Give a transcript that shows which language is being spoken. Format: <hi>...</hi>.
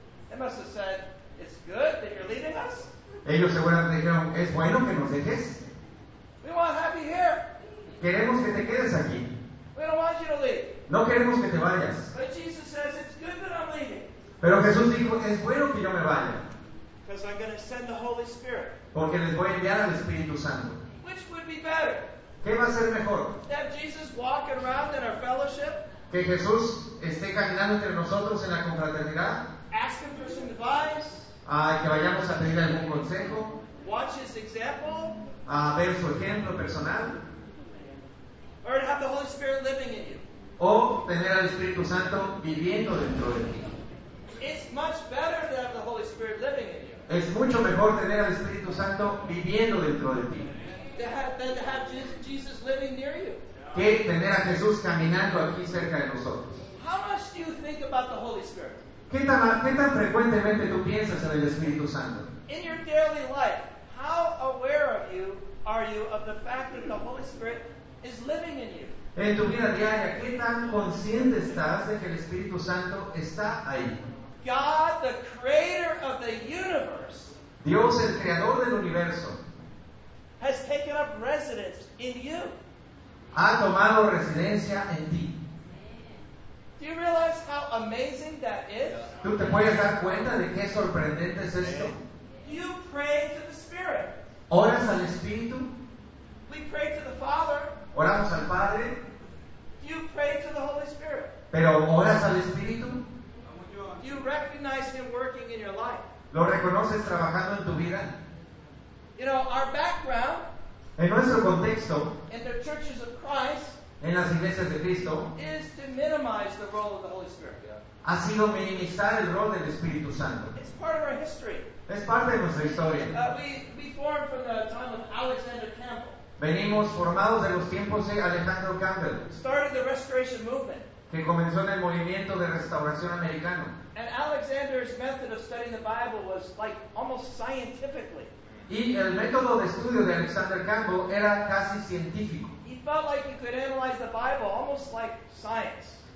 <en>They must have said, it's good that you're leaving us.</en> <es>Ellos seguramente dijeron, es bueno que nos dejes.</es> <en>We want to have you here.</en> <es>Queremos que te quedes aquí.</es> <en>We don't want you to leave.</en> <es>No queremos que te vayas.</es> <en>But Jesus says, it's good that I'm leaving.</en> <es>Pero Jesús dijo, es bueno que yo me vaya.</es> <en>Because I'm going to send the Holy Spirit.</en> <es>Porque les voy a enviar al Espíritu Santo.</es> <en>Which would be better?</en> <es>¿Qué va a ser mejor?</es> <en>That Jesus walk around in our fellowship.</en> <es>Que Jesús esté caminando entre nosotros en la confraternidad.</es> <en>Ask him for some advice.</en> <es>Que vayamos a pedir algún consejo.</es> <en>Watch his example.</en> <es>A ver su ejemplo personal.</es> <en>Or to have the Holy Spirit living in you.</en> <es>O tener al Espíritu Santo viviendo dentro de ti.</es> <en>It's much better to have the Holy Spirit living in you.</en> <es>Es mucho mejor tener al Espíritu Santo viviendo dentro de ti.</es> <en>Than Jesus living near you.</en> <es>Que tener a Jesús caminando aquí cerca de nosotros.</es> <en>How much do you think about the Holy Spirit?</en> <es>¿Qué tan frecuentemente tú piensas en el Espíritu Santo?</es> <en>In your daily life, how aware of you are you of the fact that the Holy Spirit is living in you?</en> <es>En tu vida diaria, ¿qué tan consciente estás de que el Espíritu Santo está ahí?</es> <en>God, the creator of the universe,</en> <es>Dios, el creador del universo,</es> <en>has taken up residence in you.</en> <es>Ha tomado residencia en ti.</es> <en>Do you realize how amazing that is?</en> <es>¿Tú te puedes dar cuenta de qué sorprendente es esto?</es> <en>You pray to the Spirit.</en> <es>¿Oras al Espíritu?</es> <en>We pray to the Father.</en> <es>¿Oramos al Padre?</es> <en>Do you pray to the Holy Spirit?</en> <es>¿Pero oras al Espíritu?</es> <en>Do you recognize Him working in your life?</en> <es>¿Lo reconoces trabajando en tu vida?</es> <en>You know, our background,</en> <es>en nuestro contexto,</es> <en>in the churches of Christ,</en> <es>en las iglesias de Cristo,</es> <en>is to minimize the role of the Holy Spirit.</en> <es>Ha sido minimizar el rol del Espíritu Santo.</es> <en>It's part of our history.</en> <es>Es parte de nuestra historia.</es> <en>We formed from the time of Alexander Campbell.</en> <es>Venimos formados de los tiempos de Alejandro Campbell.</es> <en>Started the restoration movement.</en> <es>Que comenzó en el movimiento de restauración americano.</es> <en>And Alexander's method of studying the Bible was like almost scientifically.</en> <es>Y el método de estudio de Alexander Campbell era casi científico.</es> <en>He felt like he could analyze the Bible almost like science.</en>